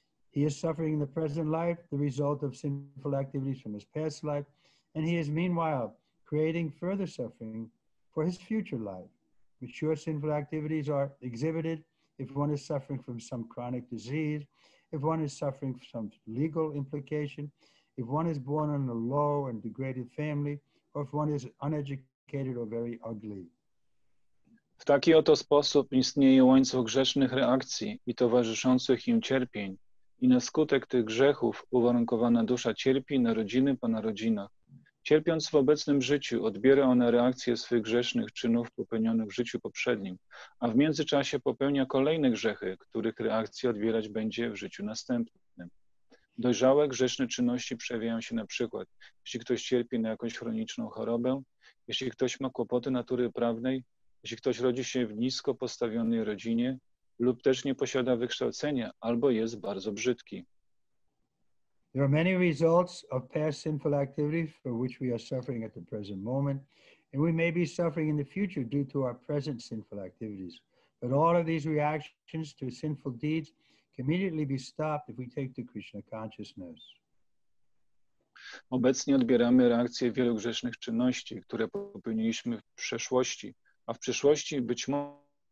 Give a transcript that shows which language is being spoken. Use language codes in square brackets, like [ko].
[en] He is suffering in the present life, the result of sinful activities from his past life, and he is meanwhile creating further suffering for his future life. Mature sinful activities are exhibited if one is suffering from some chronic disease, if one is suffering from some legal implication, if one is born in a low and degraded family, or if one is uneducated or very ugly. [pl] W taki oto sposób istnieje łańcuch grzesznych reakcji i towarzyszących im cierpień. I na skutek tych grzechów uwarunkowana dusza cierpi na rodziny po narodzinach. Cierpiąc w obecnym życiu, odbiera ona reakcję swych grzesznych czynów popełnionych w życiu poprzednim, a w międzyczasie popełnia kolejne grzechy, których reakcję odbierać będzie w życiu następnym. Dojrzałe grzeszne czynności przejawiają się na przykład, jeśli ktoś cierpi na jakąś chroniczną chorobę, jeśli ktoś ma kłopoty natury prawnej, Jeśli ktoś rodzi się w nisko postawionej rodzinie lub też nie posiada wykształcenia, albo jest bardzo brzydki. [en] There are many results of past sinful activity for which we are suffering at the present moment, and we may be suffering in the future due to our present sinful activities. But all of these reactions to sinful deeds can immediately be stopped if we take to Krishna consciousness. [pl] Obecnie odbieramy reakcje wielu grzesznych czynności, które popełniliśmy w przeszłości, a w przyszłości być może...